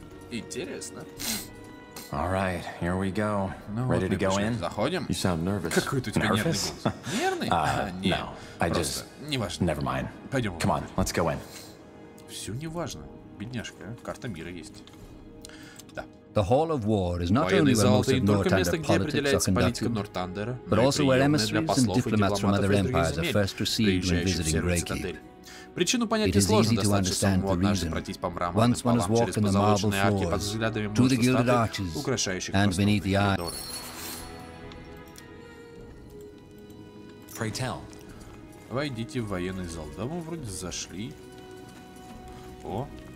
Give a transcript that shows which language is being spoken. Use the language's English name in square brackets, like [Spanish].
[Russian] Интересно. [English] All right, here we go. [Russian] Ну, [English] ready [Russian] вот [English] to go in? [Russian] Заходим. [English] You sound nervous. [Russian] Какой-то у тебя нервный голос. Нервный? Нет. [English] No, I just... [Russian] Неважно. [English] Never mind. [Russian] Пойдем. [English] Come on, let's go in. [Russian] Все неважно. Бедняжка, карта мира есть. Да. [English] The Hall of War is not only where most of Northunder politics are conducted, but also where emissaries and diplomats from other empires are first received when visiting Greykeep. [Russian] Причину понять несложно, достаточно самому однажды пройтись по мраморным полам через позолоченные арки под взглядами множества статуй, украшающих красных коридоров. Войдите в военный зал. Да, мы вроде зашли. О,